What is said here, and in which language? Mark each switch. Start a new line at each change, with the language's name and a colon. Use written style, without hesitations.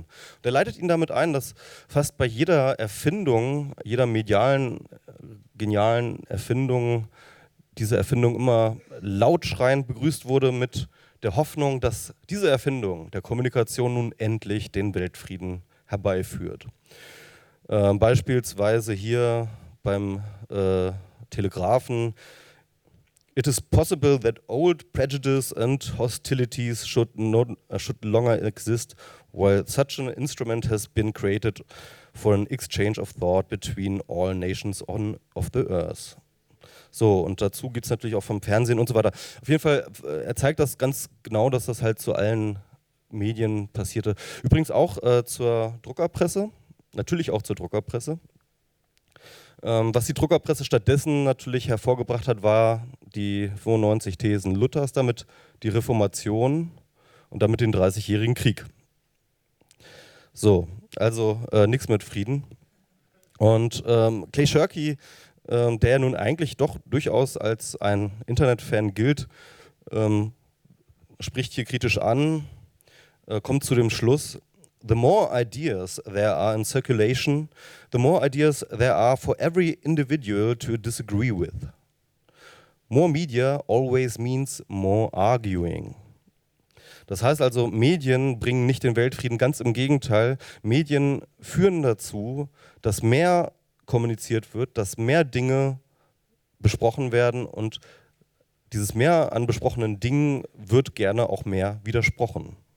German: Und er leitet ihn damit ein, dass fast bei jeder Erfindung, jeder medialen, genialen Erfindung, diese Erfindung immer lautschreiend begrüßt wurde mit der Hoffnung, dass diese Erfindung der Kommunikation nun endlich den Weltfrieden herbeiführt. Beispielsweise hier beim Telegrafen:
English: It is possible that old prejudice and hostilities should longer exist, while such an instrument has been created for an exchange of thought between all nations of the earth.
German: So, und dazu gibt es natürlich auch vom Fernsehen und so weiter. Auf jeden Fall, er zeigt das ganz genau, dass das halt zu allen Medien passierte. Übrigens auch zur Druckerpresse, natürlich auch zur Druckerpresse. Was die Druckerpresse stattdessen natürlich hervorgebracht hat, war die 95 Thesen Luthers, damit die Reformation und damit den 30-jährigen Krieg. So, also nichts mit Frieden. Und Clay Shirky, der nun eigentlich doch durchaus als ein Internetfan gilt, spricht hier kritisch an, kommt zu dem Schluss:
English: The more ideas there are in circulation, the more ideas there are for every individual to disagree with. More media always means more arguing.
German: Das heißt also, Medien bringen nicht den Weltfrieden, ganz im Gegenteil. Medien führen dazu, dass mehr kommuniziert wird, dass mehr Dinge besprochen werden, und dieses mehr an besprochenen Dingen wird gerne auch mehr widersprochen.